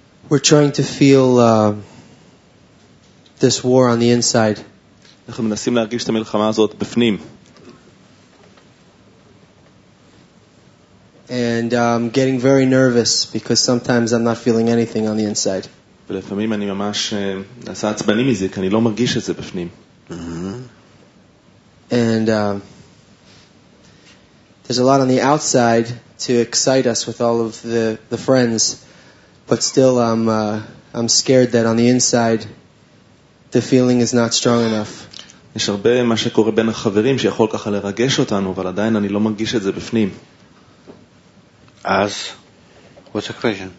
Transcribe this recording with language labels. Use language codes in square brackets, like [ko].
[en] We're trying to feel this war on the inside. [he] אנחנו מנסים להרגיש את המלחמה הזאת בפנים. [en] And I'm getting very nervous because sometimes I'm not feeling anything on the inside. [he] ולפעמים אני ממש נעשה עצבני מזה, כי אני לא מרגיש את זה בפנים. [en] And there's a lot on the outside to excite us with all of the friends, but still I'm scared that on the inside the feeling is not strong enough. [he] יש הרבה מה שקורה בין החברים שיכול ככה לרגש אותנו, אבל עדיין אני לא מרגיש את זה בפנים. אז, [en] what's the question?